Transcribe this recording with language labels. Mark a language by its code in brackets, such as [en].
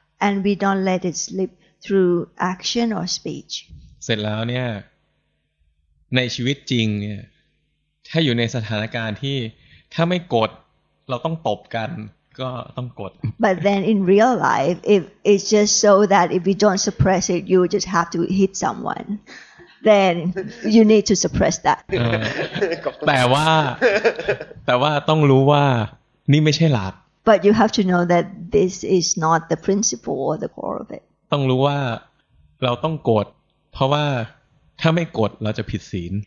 [en] and we don't let it slipthrough action or speech [th] เสร็จแล้วเนี่ยในชีวิตจริงเนี่ยถ้าอยู่ในสถานการณ์ที่ถ้าไม่กดเราต้องตบกันก็ต้องกด [en] But then in real life if it's just so that if you don't suppress it you just have to hit someone then you need to suppress that [th] แต่ว่าต้องรู้ว่านี่ไม่ใช่หลัก [en] But you have to know that this is not the principle or the core of it [th] ต้องรู้ว่าเราต้องกดเพราะว่าถ้าไม่กดเราจะผิดศีล